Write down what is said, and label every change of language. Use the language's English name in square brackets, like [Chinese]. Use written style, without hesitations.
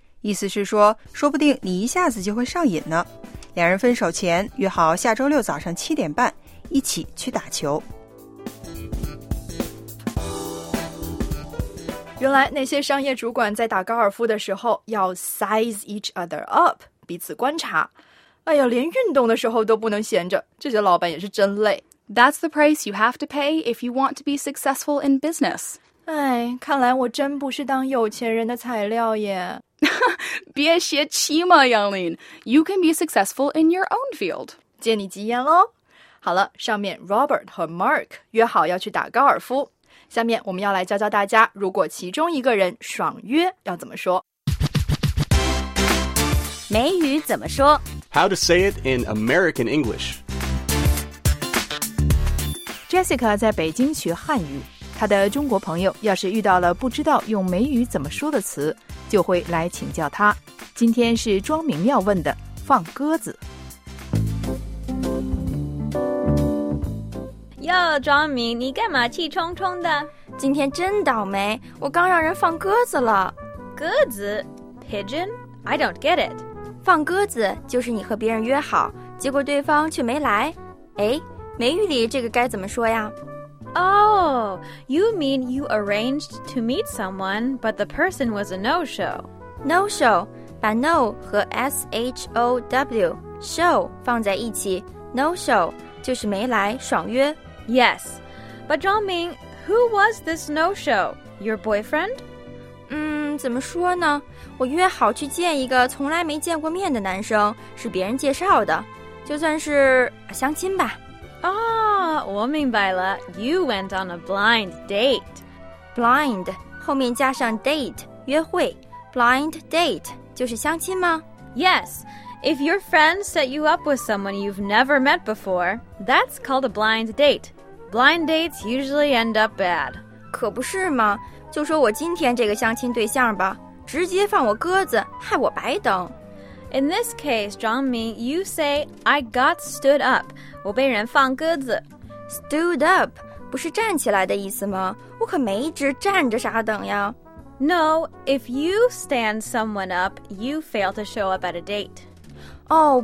[Chinese] 意思是说，说不定你一下子就会上瘾呢。两人分手前约好下周六早上7:30一起去打球。原来那些商业主管在打高尔夫的时候要 [English] size each other up, [Chinese] 彼此观察。哎呀，连运动的时候都不能闲着，这些老板也是真累。 [English] That's the price you have to pay if you want to be successful in business. [Chinese] 哎，看来我真不是当有钱人的材料耶。别泄气嘛，杨林。 [English] You can be successful in your own field. [Chinese] 借你吉言喽。好了，上面 Robert 和 Mark 约好要去打高尔夫。下面我们要来教教大家，如果其中一个人爽约要怎么说。美语怎么说 [English] ？How to say it in American English? [Chinese] Jessica 在北京学汉语，她的中国朋友要是遇到了不知道用美语怎么说的词，就会来请教她。今天是庄明要问的，放鸽子。哟，庄明，你干嘛气冲冲的？今天真倒霉，我刚让人放鸽子了。 [English] 鸽子 ？Pigeon? I don't get it. [Chinese] 放鸽子就是你和别人约好，结果对方却没来。哎，美语里这个该怎么说呀 [English] ？Oh, you mean you arranged to meet someone, but the person was a no-show. [Chinese] No-show， 把 no 和 s h o w show 放在一起 ，no-show。就是没来，爽约。 [English] Yes, but Zhang Ming, who was this no-show? Your boyfriend? [Chinese] 怎么说呢？我约好去见一个从来没见过面的男生，是别人介绍的，就算是相亲吧。我明白了。 [English] You went on a blind date. [Chinese] Blind 后面加上 date 约会 ，blind date 就是相亲吗 [English] ？Yes. If your friend set you up with someone you've never met before, that's called a blind date. Blind dates usually end up bad. [Chinese] 可不是吗？就说我今天这个相亲对象吧，直接放我鸽子，害我白等。 [English] In this case, Zhang Ming, you say, I got stood up. [Chinese] 我被人放鸽子。 Stood up 不是站起来的意思吗？我可没直站着啥等呀。 [English] No, if you stand someone up, you fail to show up at a date.